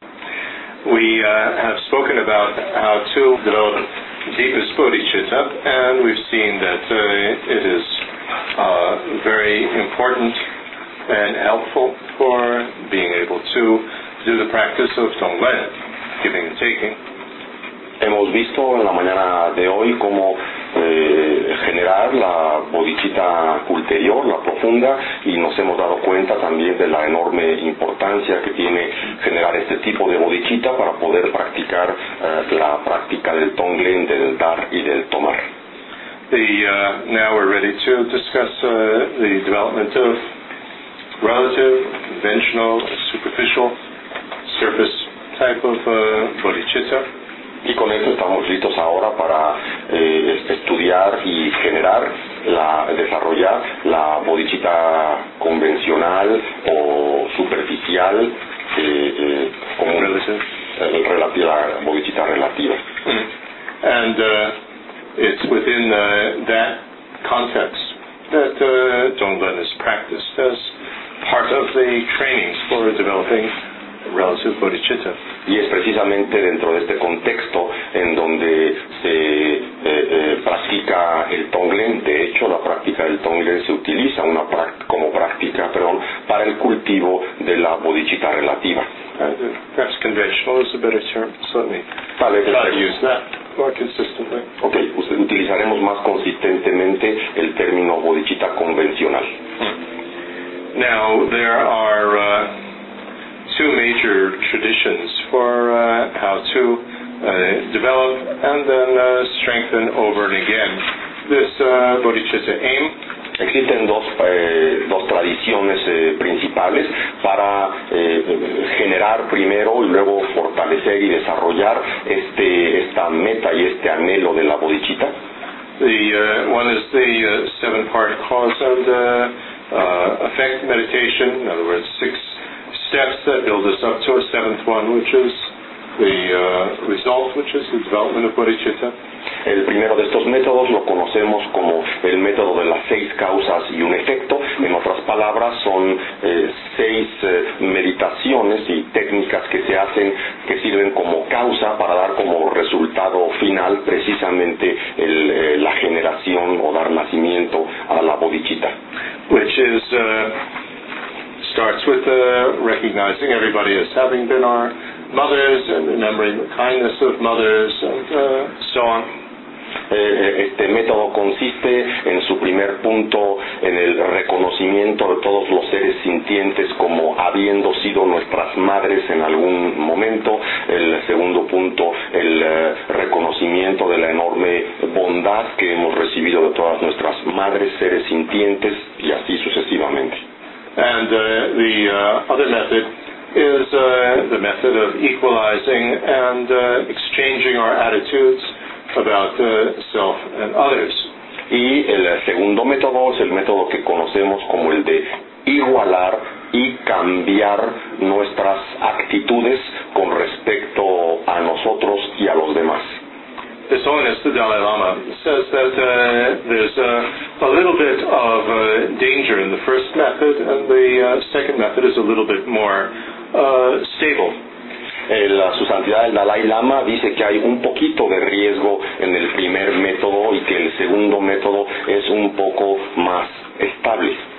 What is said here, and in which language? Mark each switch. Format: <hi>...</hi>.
<en>we have spoken about how to develop deepest bodhicitta, and we've seen that it is very important and helpful for being able to do the practice of Tonglen, giving and taking.</en> <es>Hemos visto en la mañana de hoy cómo generar la bodhicitta ulterior, la profunda, y nos hemos dado cuenta también de la enorme importancia que tiene generar este tipo de bodhicitta para poder practicar la práctica del Tonglen, del dar y del tomar.</es> <en>Now we're ready to discuss the development of relative, conventional, superficial, surface type of bodhicitta.</en> <es>Y con esto estamos listos ahora para estudiar y generar, desarrollar la bodhicitta convencional o superficial, como la bodhicitta relativa.</es> <en>And it's within that context that Tonglen is practiced as part of the trainings for developing relative bodhicitta.</en> <es>Y es precisamente dentro de este contexto en donde se practica el Tonglen. De hecho, la práctica del Tonglen se utiliza como práctica, para el cultivo de la bodhicitta relativa.</es> <en>Perhaps conventional is a better term, certainly.</en> <es>Vale,</es> <en>but use that more consistently.</en> <es>Okay, utilizaremos más consistentemente el término bodhicitta convencional.</es> <en>Now, there are two major traditions for how to develop and then strengthen over and again this bodhicitta aim.</en> <es>Existen dos tradiciones principales para generar primero y luego fortalecer y desarrollar esta meta y este anhelo de la bodhicitta.</es> <en>The one is the seven part cause and effect meditation, in other words, six steps that build us up to a seventh one, which is the result, which is the development of bodhicitta.</en> <es>El primero de estos métodos lo conocemos como el método de las seis causas y un efecto. En otras palabras, son seis meditaciones y técnicas que se hacen, que sirven como causa para dar como resultado final precisamente la generación o dar nacimiento a la bodhicitta.</es> <en>Which is starts with recognizing everybody as having been our mothers and remembering the kindness of mothers and so on.</en> <es>Este método consiste en su primer punto en el reconocimiento de todos los seres sintientes como habiendo sido nuestras madres en algún momento. El segundo punto, el reconocimiento de la enorme bondad que hemos recibido de todas nuestras madres, seres sintientes, y así sucesivamente.</es> <en>And the other method is the method of equalizing and exchanging our attitudes about self and others.</en> <es>Y el segundo método es el método que conocemos como el de igualar y cambiar nuestras actitudes con respecto a nosotros y a los demás.</es> <en>His Holiness the Dalai Lama says that there's a little bit of danger in the first method, and the second method is a little bit more stable.</en> <es>Su Santidad el Dalai Lama dice que hay un poquito de riesgo en el primer método y que el segundo método es un poco más estable.</es>